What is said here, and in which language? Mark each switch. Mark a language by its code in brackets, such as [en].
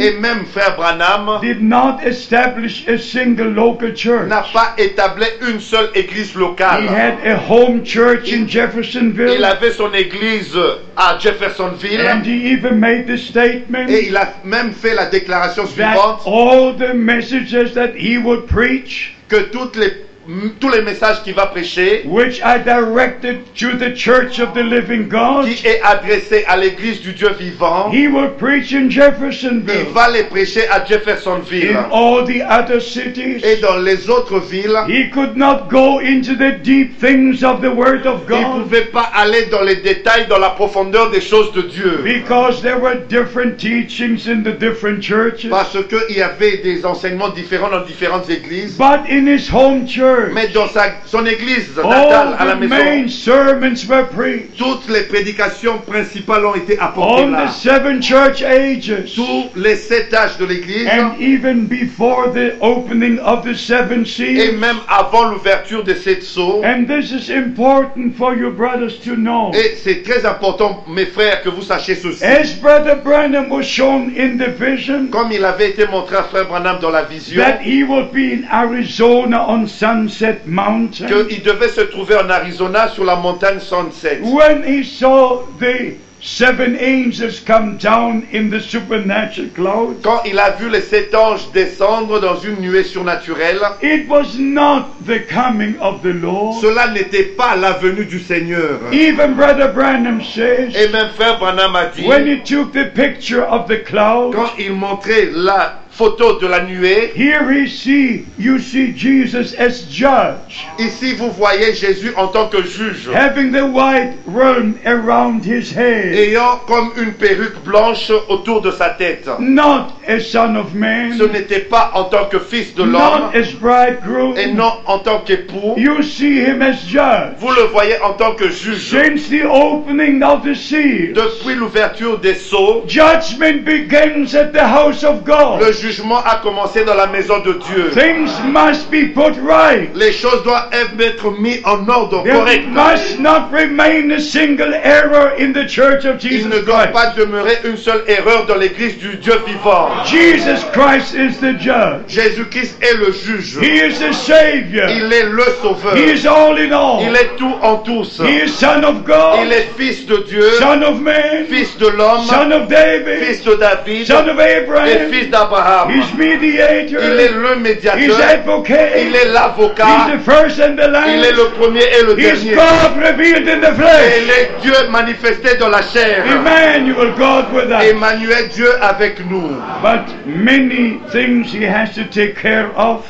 [fr] et même Frère Branham [en] did not establish a single local church. [fr] N'a pas établi une seule église locale. [en] He had a home church in Jeffersonville. [fr] Il avait son église à Jeffersonville. [en] And he even made the statement [fr] et il a même fait la déclaration suivante [en] that all the messages that he would preach [fr] que tous les messages qu'il va prêcher, [en] which I directed to the Church of the Living God, [fr] qui est adressé à l'Église du Dieu vivant, [en] he will preach in Jeffersonville. [fr] Il va les prêcher à Jeffersonville. [en] In all the other cities, [fr] et dans les autres villes, [en] he could not go into the deep things of the Word of God. [fr] Il ne pouvait pas aller dans les détails, dans la profondeur des choses de Dieu, [en] because there were different teachings in the different churches. [fr] Parce qu'il y avait des enseignements différents dans différentes églises. [en] But in his home church. church. [fr] Mais dans son église natale, [en] all [fr] à la maison. [en] Main sermons were preached. [fr] Toutes les prédications principales ont été apportées [en] on [fr] là. [en] The seven church ages. [fr] Tous les sept âges de l'église. [en] And even before the opening of the seven seals. [fr] Et même avant l'ouverture des sept sceaux. [en] And this is important for your brothers to know. [fr] Et c'est très important, mes frères, que vous sachiez ceci. [en] As Brother Branham was shown in the vision. [fr] Comme il avait été montré à Frère Branham dans la vision. [en] That he would be in Arizona on Sunset Mountain. [fr] Que il devait se trouver en Arizona sur la montagne Sunset. [en] When he saw the seven angels come down in the supernatural cloud. [fr] Quand il a vu les sept anges descendre dans une nuée surnaturelle. [en] It was not the coming of the Lord. [fr] Cela n'était pas la venue du Seigneur. [en] Even Brother Branham says. [fr] Et même Frère Branham a dit. [en] When he took the picture of the cloud. [fr] Quand il montrait la photo de la nuée. [en] Here we see, you see Jesus as judge. [fr] Ici vous voyez Jésus en tant que juge. [en] Having the white realm around his head. [fr] Ayant comme une perruque blanche autour de sa tête. [en] Not a son of man. [fr] Ce n'était pas en tant que fils de l'homme. [en] Not as bridegroom. [fr] Et non en tant qu'époux. [en] You see him as judge. [fr] Vous le voyez en tant que juge. [en] Since the opening of the seals. [fr] Depuis l'ouverture des sceaux. [en] Judgment begins at the house of God. [fr] Le jugement a commencé dans la maison de Dieu. [en] Things must be put right. [fr] Les choses doivent être mises en ordre correct. [en] There must not remain a single error in the church of Jesus Christ. [fr] Il ne doit pas demeurer une seule erreur dans l'église du Dieu vivant. [en] Jesus Christ is the judge. [fr] Jésus-Christ est le juge. [en] He is the savior. [fr] Il est le sauveur. [en] He is all in all. [fr] Il est tout en tous. [en] He is son of God. [fr] Il est fils de Dieu. [en] Son of man. [fr] Fils de l'homme. [en] Son of David. [fr] Fils de David. [en] Son of Abraham. [fr] Et fils d'Abraham. [en] He's mediator. [fr] Il est le médiateur. [en] He's advocate. [fr] Il est l'avocat. [en] He's the first and the last. [fr] Il est le premier et le [en] He's [fr] dernier. [en] God revealed in the flesh. [fr] Et il est Dieu manifesté dans la chair. [en] Emmanuel, God with us. [fr] Emmanuel, Dieu avec nous. [en] But many things he has to take care of.